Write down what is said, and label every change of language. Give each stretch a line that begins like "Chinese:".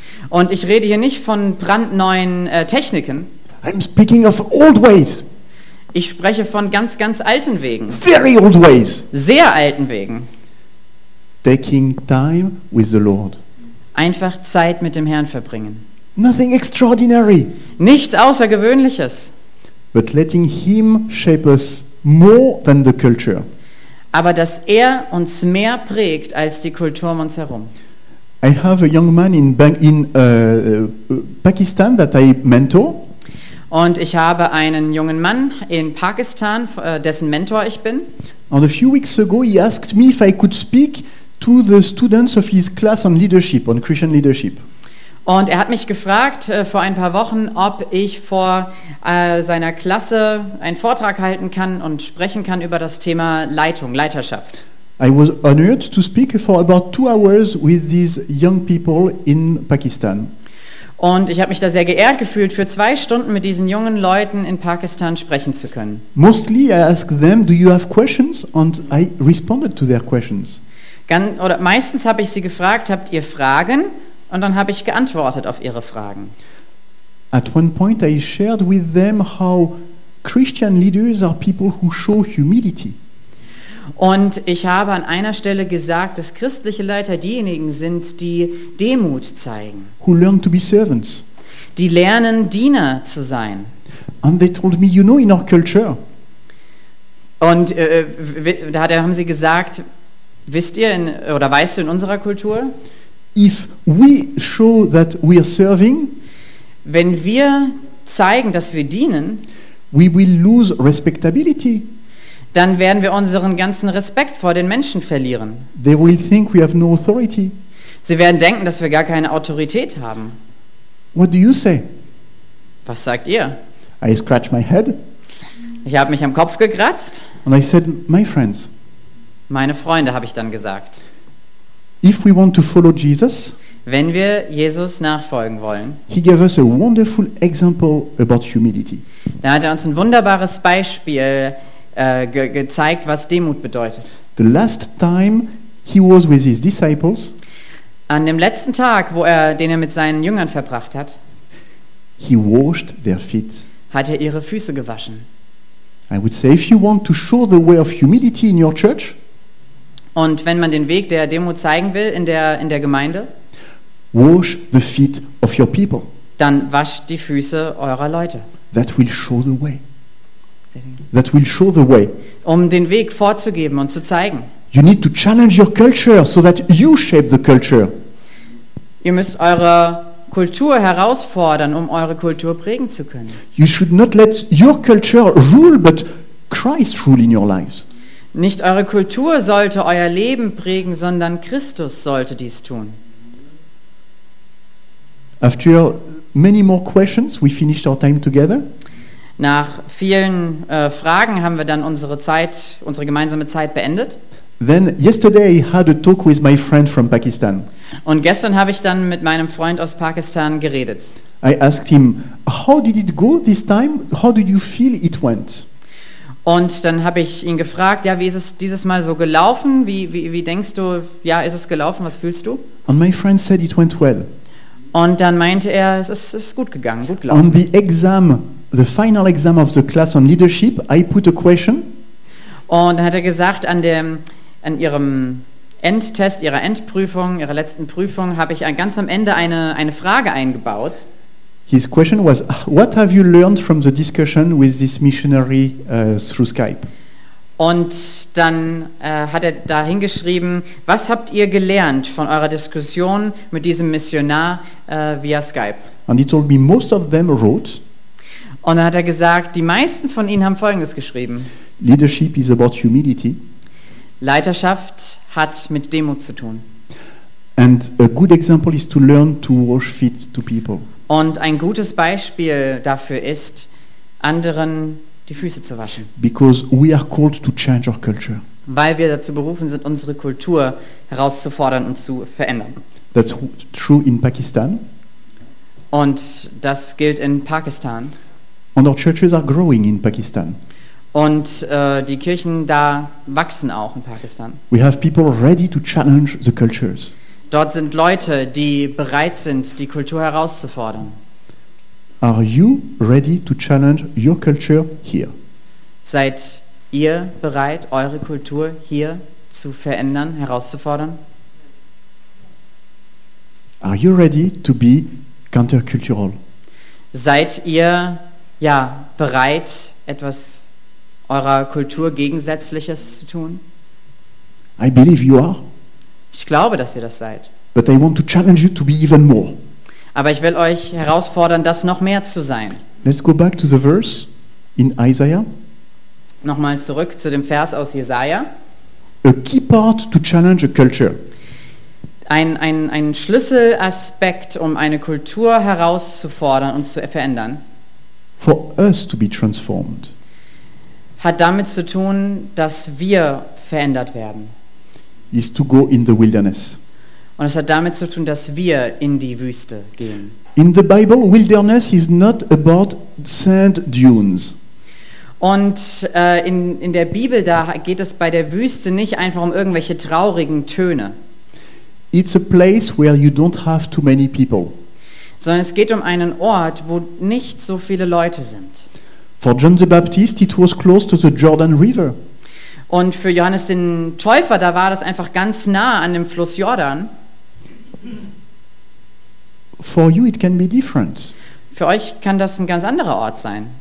German: Und ich rede hier nicht von brandneuen Techniken.
English: I'm speaking of old ways.
German: Ich spreche von ganz, ganz alten Wegen.
English: Very old ways.
German: Sehr alten Wegen.
English: Taking time with the Lord.
German: Einfach Zeit mit dem Herrn verbringen.
English: Nothing extraordinary.
German: Nichts Außergewöhnliches.
English: But letting him shape us more than the culture.
German: Aber dass er uns mehr prägt als die Kultur um uns herum.
English: I have a young man in Pakistan that I mentor.
German: Und ich habe einen jungen Mann in Pakistan, dessen Mentor ich bin.
English: And a few weeks ago he asked me if I could speak to the students of his class on leadership, on Christian leadership.
German: Und er hat mich gefragt vor ein paar Wochen, ob ich vor seiner Klasse einen Vortrag halten kann und sprechen kann über das Thema Leitung, Leiterschaft.
English: I was honored to speak for about 2 hours with these young people in Pakistan.
German: Und ich habe mich da sehr geehrt gefühlt, für 2 Stunden mit diesen jungen Leuten in Pakistan sprechen zu können.
English: Mostly I asked them, do you have questions? And I responded to their questions.
German: Oder meistens habe ich sie gefragt, habt ihr Fragen? Und dann habe ich geantwortet auf ihre Fragen.
English: At one point I shared with them how Christian leaders are people who show humility.
German: Und ich habe an einer Stelle gesagt, dass christliche Leiter diejenigen sind, die Demut zeigen.
English: Who learn to be servants.
German: Die lernen, Diener zu sein.
English: And they told me, you know, in our culture.
German: Und da haben sie gesagt, weißt du in unserer Kultur?
English: If we show that we are serving,
German: wenn wir zeigen, dass wir dienen,
English: we will lose respectability.
German: Dann werden wir unseren ganzen Respekt vor den Menschen verlieren.
English: They will think we have no authority.
German: Sie werden denken, dass wir gar keine Autorität haben.
English: What do you say?
German: Was sagt ihr?
English: I scratch my head.
German: Ich habe mich am Kopf gekratzt.
English: And I said, my friends.
German: Meine Freunde, habe ich dann gesagt.
English: If we want to follow Jesus,
German: wenn wir Jesus nachfolgen wollen,
English: he gave us a wonderful example about humility.
German: Da hat er uns ein wunderbares Beispiel gezeigt, was Demut bedeutet.
English: The last time he was with his disciples,
German: an dem letzten Tag, den er mit seinen Jüngern verbracht hat,
English: he washed their feet.
German: Hat er ihre Füße gewaschen.
English: I would say, if you want to show the way of humility in your church,
German: und wenn man den Weg der Demut zeigen will in der Gemeinde,
English: wash the feet of your people.
German: Dann wascht die Füße eurer Leute.
English: That will show the way. That will show the way.
German: Um den Weg vorzugeben und zu zeigen.
English: You need to challenge your culture so that you shape the culture.
German: Ihr müsst eure Kultur herausfordern, um eure Kultur prägen zu können.
English: You should not let your culture rule, but Christ rule in your lives.
German: Nicht eure Kultur sollte euer Leben prägen, sondern Christus sollte dies tun.
English: After many more questions, we finished our time together.
German: Nach vielen Fragen haben wir dann unsere gemeinsame Zeit beendet.
English: Then yesterday I had a talk with my friend from Pakistan.
German: Und gestern habe ich dann mit meinem Freund aus Pakistan geredet.
English: I asked him, how did it go this time? How did you feel it went?
German: Und dann habe ich ihn gefragt, ja, wie ist es dieses Mal so gelaufen? Wie denkst du, ja, ist es gelaufen? Was fühlst du?
English: And my friend said it went well.
German: Und dann meinte er, es ist gut gegangen, gut gelaufen.
English: On the exam, the final exam of the class on leadership, I put a question.
German: Und dann hat er gesagt, an ihrem Endtest, ihrer Endprüfung, ihrer letzten Prüfung, habe ich ganz am Ende eine Frage eingebaut.
English: His question was, what have you learned from the discussion with this missionary through Skype?
German: Und dann hat er da hingeschrieben, was habt ihr gelernt von eurer Diskussion mit diesem Missionar via Skype?
English: And he told me most of them wrote.
German: Und dann hat er gesagt, die meisten von ihnen haben Folgendes geschrieben.
English: Leadership is about humility.
German: Leiterschaft hat mit Demut zu tun.
English: And a good example is to learn to wash feet to people.
German: Und ein gutes Beispiel dafür ist, anderen die Füße zu waschen.
English: Because we are called to change our culture.
German: Weil wir dazu berufen sind, unsere Kultur herauszufordern und zu verändern.
English: That's true in Pakistan.
German: Und das gilt in Pakistan.
English: And our churches are growing in Pakistan.
German: Und die Kirchen da wachsen auch in Pakistan.
English: We have people ready to challenge the cultures.
German: Dort sind Leute, die bereit sind, die Kultur herauszufordern.
English: Are you ready to challenge your culture here?
German: Seid ihr bereit, eure Kultur hier zu verändern, herauszufordern?
English: Are you ready to be countercultural?
German: Seid ihr ja bereit, etwas eurer Kultur Gegensätzliches zu tun?
English: I believe you are.
German: Ich glaube, dass ihr das seid.
English: But I want to challenge you to be even more.
German: Aber ich will euch herausfordern, das noch mehr zu sein.
English: Let's go back to the verse in Isaiah.
German: Nochmal zurück zu dem Vers aus Jesaja.
English: A key part to challenge a culture.
German: Ein Schlüsselaspekt, um eine Kultur herauszufordern und zu verändern.
English: For us to be transformed.
German: Hat damit zu tun, dass wir verändert werden.
English: Is to go in the wilderness.
German: Und es hat damit zu tun, dass wir in die Wüste gehen.
English: In the Bible, wilderness is not about sand dunes.
German: Und in der Bibel, da geht es bei der Wüste nicht einfach um irgendwelche traurigen Töne.
English: It's a place where you don't have too many people.
German: Sondern es geht um einen Ort, wo nicht so viele Leute sind.
English: For John the Baptist, it was close to the Jordan River.
German: Und für Johannes den Täufer, da war das einfach ganz nah an dem Fluss Jordan.
English: For you it can be different.
German: Für euch kann das ein ganz anderer Ort sein.